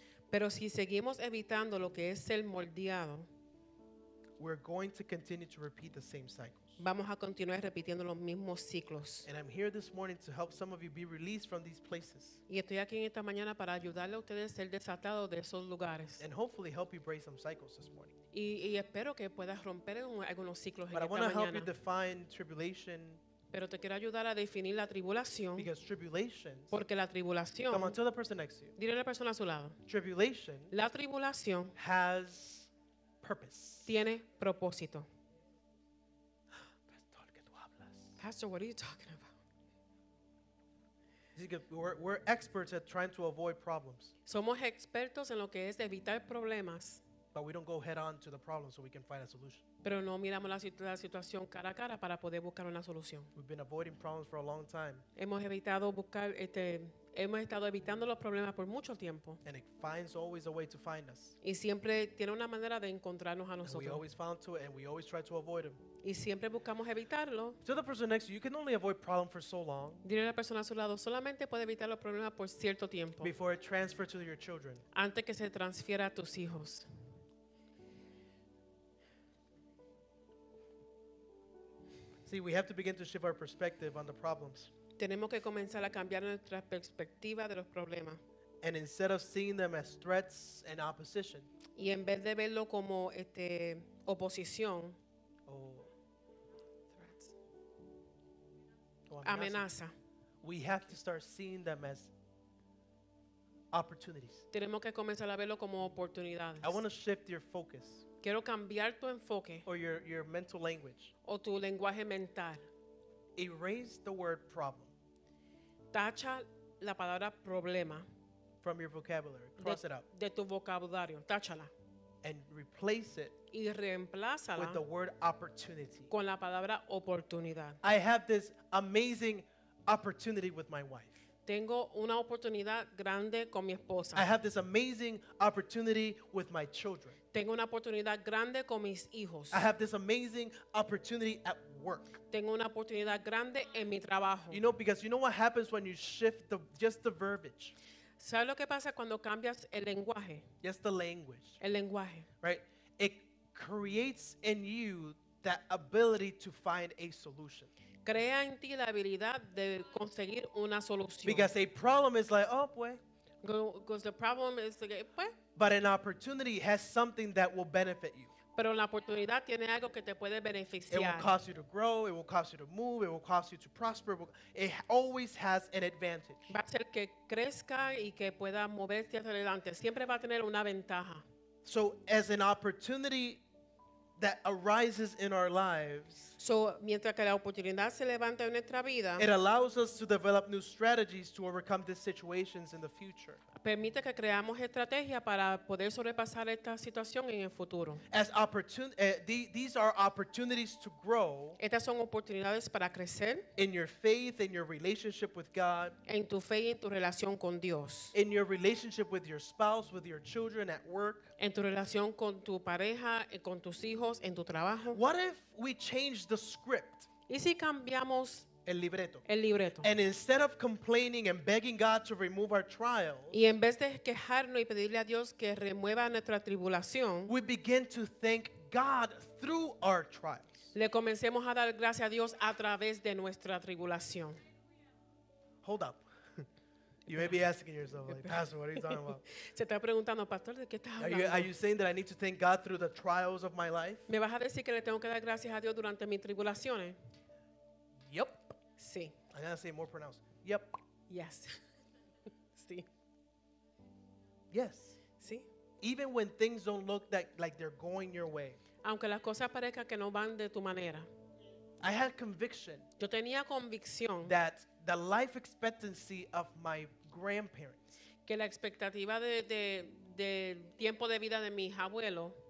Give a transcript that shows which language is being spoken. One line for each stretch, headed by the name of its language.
Spanish: pero si seguimos evitando lo que es el moldeado,
English: we're going to continue to repeat the same cycles.
Spanish: Vamos a continuar repitiendo los mismos ciclos.
English: And I'm here this morning to help some of you be released from these places.
Spanish: Y estoy aquí esta mañana para ayudarle a ustedes a ser desatados de esos lugares.
English: And hopefully help you break some cycles this morning.
Spanish: Y espero que puedas romper algunos ciclos esta mañana.
English: But I want to help you define tribulation.
Spanish: Pero te quiero ayudar a definir la tribulación.
English: Because tribulations.
Spanish: Porque la tribulación.
English: Come on, tell the person next to you.
Spanish: Dile a la persona a su lado.
English: Tribulation.
Spanish: La tribulación.
English: Has purpose.
Spanish: Tiene propósito. Pastor, ¿qué tú hablas?
English: Pastor, what are you talking about? We're experts at trying to avoid problems.
Spanish: Somos expertos en lo que es evitar problemas.
English: But we don't go head on to the problem so we can find a solution.
Spanish: Pero no miramos la situación cara a cara para poder buscar una solución.
English: We've been avoiding problems for a long time.
Spanish: Hemos evitado buscar hemos estado evitando los problemas por mucho tiempo.
English: And it finds always a way to find us.
Spanish: Y siempre tiene una manera de encontrarnos a nosotros.
English: And we always found to it and we always try to avoid them.
Spanish: Y siempre buscamos evitarlo.
English: To the person next to you, you can only avoid problems for so long.
Spanish: Dile a la persona a su lado, solamente puede evitar los problemas por cierto tiempo.
English: Before it transfers to your children.
Spanish: Antes que se transfiera a tus hijos.
English: See, we have to begin to shift our perspective on the problems.
Spanish: Tenemos que comenzar a cambiar nuestra perspectiva de los problemas.
English: And instead of seeing them as threats and opposition.
Spanish: Y en vez de verlo como oposición. Oh.
English: Threats. Amenaza. We have to start seeing them as opportunities.
Spanish: Tenemos que comenzar a verlo como oportunidades.
English: I want to shift your focus.
Spanish: Quiero cambiar tu enfoque.
English: Or your mental language.
Spanish: O tu lenguaje mental.
English: Erase the word problem.
Spanish: Tacha la palabra problema.
English: From your vocabulary. Cross it out.
Spanish: De tu vocabulario. Táchala.
English: And replace it.
Spanish: Y reemplázala.
English: With the word opportunity.
Spanish: Con la palabra oportunidad.
English: I have this amazing opportunity with my wife.
Spanish: Tengo una oportunidad grande con mi esposa.
English: I have this amazing opportunity with my children.
Spanish: Tengo una oportunidad grande con mis hijos.
English: I have this amazing opportunity at work.
Spanish: Tengo una oportunidad grande en mi trabajo.
English: You know, because you know what happens when you shift the just the verbiage.
Spanish: ¿Sabes lo que pasa cuando cambias el lenguaje?
English: Just the language.
Spanish: El lenguaje.
English: Right? It creates in you that ability to find a solution.
Spanish: Crea en ti la habilidad de conseguir una solución.
English: Because a problem is like, oh, pues. Because the problem is like, pues. But an opportunity has something that will benefit you.
Spanish: Pero la oportunidad tiene algo que te puede beneficiar.
English: It will cause you to grow. It will cause you to move. It will cause you to prosper. It always has an advantage.
Spanish: Va a hacer que crezca y que pueda moverte hacia adelante. Siempre va a tener una ventaja.
English: So as an opportunity that arises in our lives,
Spanish: so mientras que la oportunidad se levanta en nuestra vida,
English: it allows us to develop new strategies to overcome these situations in the future.
Spanish: Permite que creamos estrategias para poder sobrepasar esta situación en el futuro.
English: As these are opportunities to grow.
Spanish: Estas son oportunidades para crecer.
English: In your faith, in your relationship with God.
Spanish: En tu fe y en tu relación con Dios.
English: In your relationship with your spouse, with your children, at work.
Spanish: En tu relación con tu pareja, con tus hijos, en tu trabajo.
English: What if we change the script?
Spanish: ¿Y si cambiamos el libreto? El libreto.
English: And instead of complaining and begging God to remove our trials,
Spanish: y en vez de quejarnos y pedirle a Dios que remueva nuestra tribulación,
English: we begin to thank God through our trials.
Spanish: Le comencemos a dar gracias a Dios a través de nuestra tribulación.
English: Hold up. You may be asking yourself, like, Pastor, what are you talking about?
Spanish: Se está preguntando, Pastor, ¿de qué estás hablando?
English: Are you saying that I need to thank God through the trials of my life?
Spanish: ¿Me vas a decir que le tengo que dar gracias a Dios durante mis tribulaciones?
English: Yep.
Spanish: Sí.
English: I'm going to say more pronounced. Yep. Yes. Sí. Yes.
Spanish: Sí.
English: Even when things don't look like they're going your way.
Spanish: Aunque las cosas parezcan que no van de tu manera.
English: I had conviction.
Spanish: Yo tenía convicción.
English: That the life expectancy of my grandparents.
Spanish: Que la expectativa de tiempo de vida de mis abuelos.